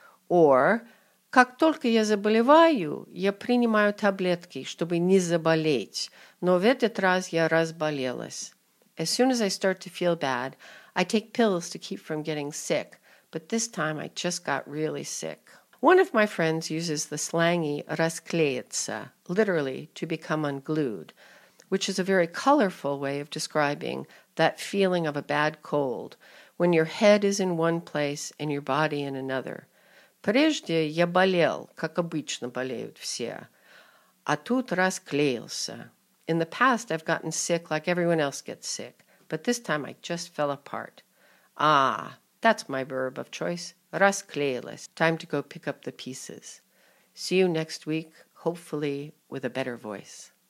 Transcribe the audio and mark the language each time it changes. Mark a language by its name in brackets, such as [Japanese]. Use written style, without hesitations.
[Russian] Or, «Как только я заболеваю, я принимаю таблетки, чтобы не заболеть, но в этот раз я разболелась». [English] As soon as I start to feel bad, I take pills to keep from getting sick, but this time I just got really sick. One of my friends uses the slangy расклеиться, literally to become unglued, which is a very colorful way of describing that feeling of a bad cold, when your head is in one place and your body in another. [Russian] Прежде я болел, как обычно болеют все, а тут расклеился. [English] In the past, I've gotten sick like everyone else gets sick, but this time I just fell apart. Ah, that's my verb of choice. Расклеилась. Time to go pick up the pieces. See you next week, hopefully with a better voice.